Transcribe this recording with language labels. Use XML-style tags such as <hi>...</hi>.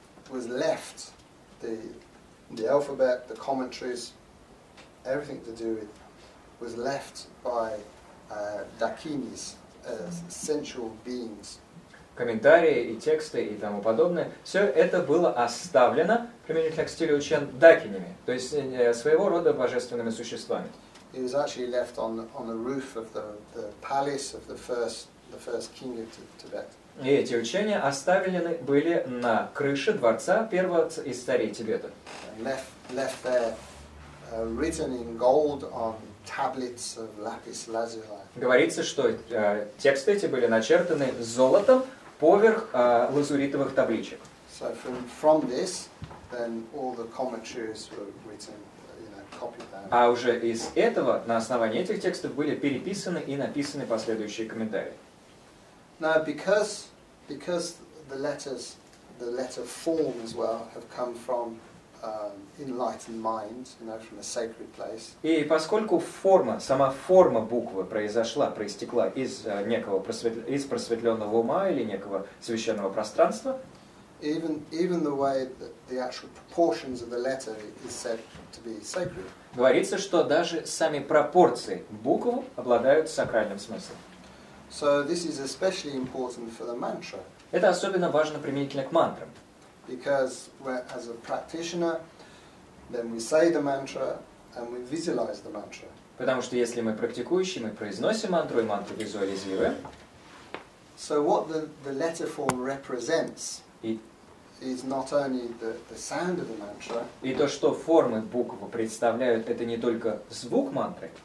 <en>was left the alphabet, the commentaries, everything to do with was left by Dakinis as sensual beings.</en> <ru>Комментарии и тексты и тому подобное, все это было оставлено, применительно к стилю Учен, дакинями, то есть своего рода божественными существами.</ru> <en>It was actually left on the roof of the palace of the first king of Tibet.</en> <ru>И эти учения оставлены были на крыше дворца первого из царей Тибета.</ru> <en>Left there, written in gold on tablets of lapis lazuli.</en> <ru>Говорится, что тексты эти были начертаны золотом поверх лазуритовых табличек.</ru> <en>So from this, then all the commentaries were written, you know, copied down.</en> <ru>А уже из этого, на основании этих текстов, были переписаны и написаны последующие комментарии.</ru> <en>Now, because the letter form as well have come from enlightened mind, you know, from a sacred place.</en> <ru>И поскольку сама форма буквы проистекла из некого просветленного ума или некого священного пространства.</ru> <en>even the way that the actual proportions of the letter is said to be sacred.</en> <ru>Говорится, что даже сами пропорции букв обладают сакральным смыслом.</ru> <en>So this is especially important for the mantra.</en> <ru>Это особенно важно применительно к мантрам.</ru> <en>Because as a practitioner, then we say the mantra and we visualize the mantra.</en> <ru>Потому что если мы практикующие, мы произносим мантру и мантру визуализируем.</ru> <en>So what the letter form represents is not only the sound of the mantra.</en> <ru>И то, что формы буквы представляют, это не только звук мантры.</ru>